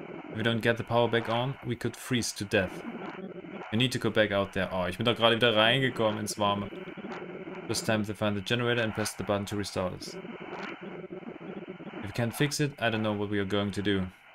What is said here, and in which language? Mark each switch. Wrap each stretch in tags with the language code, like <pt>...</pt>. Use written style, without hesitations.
<en>If we don't get the power back on, we could freeze to death. We need to go back out there.</en> <de>Oh, ich bin doch gerade wieder reingekommen ins Warme.</de> <en>This time to find the generator and press the button to restart us. If we can't fix it, I don't know what we are going to do.</en>